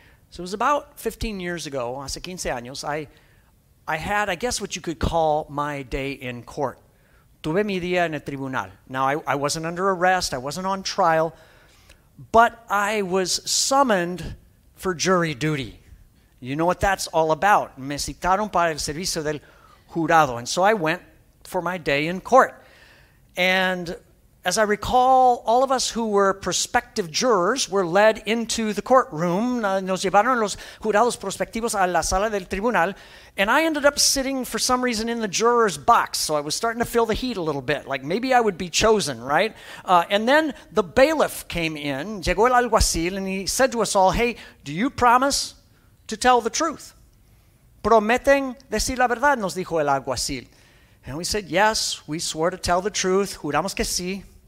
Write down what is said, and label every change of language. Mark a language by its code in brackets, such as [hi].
[en] So it was about 15 years ago, [es] hace 15 años, [en] I had, I guess what you could call my day in court. [es] Tuve mi día en el tribunal. [en] Now, I wasn't under arrest, I wasn't on trial, but I was summoned for jury duty. You know what that's all about. [es] Me citaron para el servicio del jurado. [en] And so I went for my day in court. And as I recall, all of us who were prospective jurors were led into the courtroom. [es] Nos llevaron los jurados prospectivos a la sala del tribunal. [en] And I ended up sitting, for some reason, in the juror's box. So I was starting to feel the heat a little bit, like maybe I would be chosen, right? And then the bailiff came in, [es] llegó el alguacil, [en] and he said to us all, hey, do you promise to tell the truth? [es] ¿Prometen decir la verdad? Nos dijo el alguacil. [en] And we said, yes, we swore to tell the truth, [es] juramos que sí.